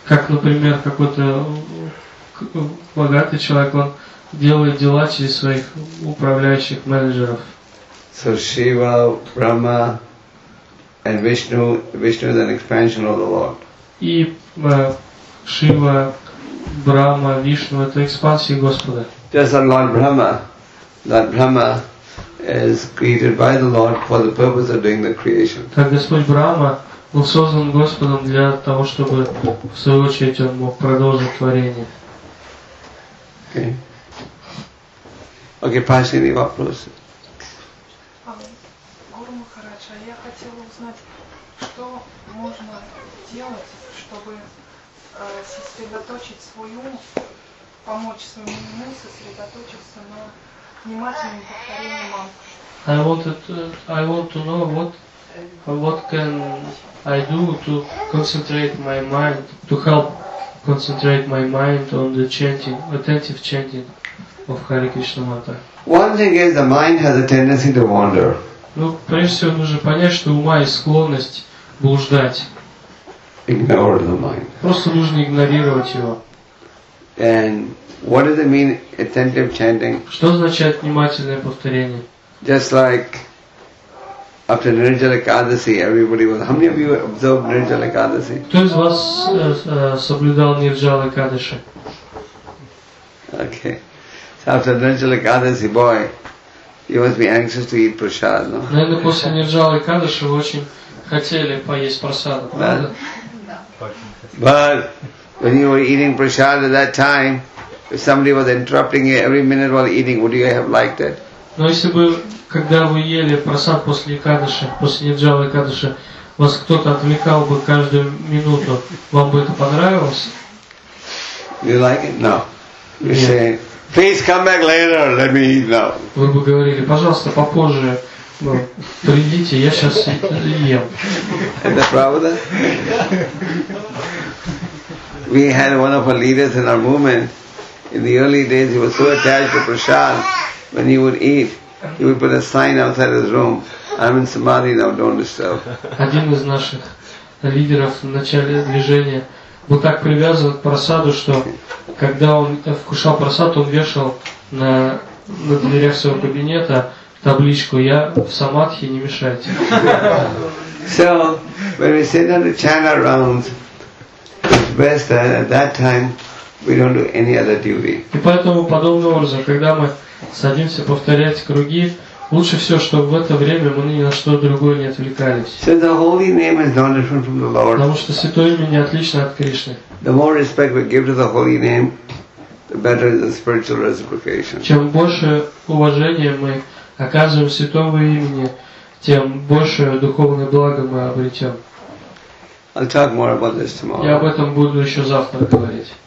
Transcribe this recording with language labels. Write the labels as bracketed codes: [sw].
[ru] Как, например, какой-то богатый человек, он делает дела через своих управляющих менеджеров. [en] So Shiva, Brahma, and Vishnu. Vishnu is an expansion of the Lord. [ru] И Шива, Брахма, Вишну — это экспансия Господа. [en] Just like Lord Brahma. That Brahma is created by the Lord for the purpose of doing the creation. [ru] Так Господь Брахма был создан Господом для того, чтобы в свою очередь он мог продолжить творение. [en] Okay. Okay, Пасхини, [ru] вопрос. Гуру Махарадж, а я хотела узнать, что можно делать, чтобы сосредоточить свой ум, помочь своему уму сосредоточиться на внимательном повторении мантры. [en] I want to know what can I do to concentrate my mind, to help concentrate my mind on the chanting, attentive chanting of Hare Krishna mantra. One thing is the mind has a tendency to wander. [ru] Ну, прежде всего нужно понять, что ума есть склонность блуждать. [en] Ignore the mind. [ru] Просто нужно игнорировать его. [en] And what does it mean, attentive chanting? [ru] Что означает внимательное повторение? [en] Just like after Nirjala Ekadasi, everybody was. How many of you observed Nirjala Ekadasi? [ru] Кто из вас соблюдал Нирджала Экадаши? [en] Okay. After Nirjala Ekadasi, boy, you must be anxious to eat prasad, no? [ru] Наверное, после Нирджала Экадаши вы очень хотели поесть прасаду, правда? [en] But when you were eating prasad at that time, if somebody was interrupting you every minute while eating, would you have liked it? [ru] Но если бы, когда вы ели прасад после Экадаши, после Нирджала Экадаши, вас кто-то отвлекал бы каждую минуту, вам бы это понравилось? [en] You like it? No. You say, please come back later, let me eat now. [ru] Вы бы говорили, пожалуйста, попозже, ну, придите, я сейчас ем. Это правда? [en] We had one of our leaders in our movement. In the early days, he was so attached to prasad. When he would eat, he would put a sign outside his room. I'm in samadhi now, don't disturb. [ru] Один из наших лидеров в начале движения был так привязан к просаду, что когда он вкушал просад, он вешал на дверях своего кабинета табличку: «Я в самадхи, не мешайте». [en] So, when we sit on the chanda rounds, it's best that at that time we don't do any other duty. [ru] И поэтому подобным образом, когда мы садимся повторять круги, лучше все, чтобы в это время мы ни на что другое не отвлекались. [en] So the holy name is not different from the Lord. [ru] Потому что святое имя не отлично от Кришны. [en] The more respect we give to the holy name, the better the spiritual reciprocation. [ru] Чем больше уважения мы оказываем святому имени, тем больше духовное благо мы обретем. [en] I'll talk more about this tomorrow. [ru] Я об этом буду еще завтра говорить.